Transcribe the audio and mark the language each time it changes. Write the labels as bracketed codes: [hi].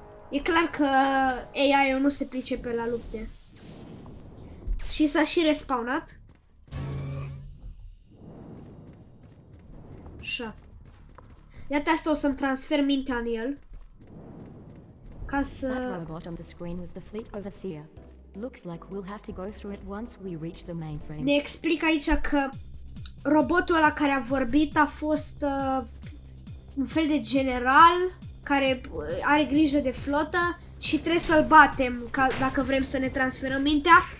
[ro] E clar că AI-ul nu se pricepe la lupte. Și s-a și respawnat. Așa. Iată, asta o să-mi transfer mintea în el. Ca să... [en] That robot on the screen was the fleet overseer. Looks like we'll have to go through it once we reach the mainframe. [ro] Ne explic aici că robotul ăla care a vorbit a fost un fel de general care are grijă de flotă și trebuie să-l batem ca dacă vrem să ne transferăm mintea.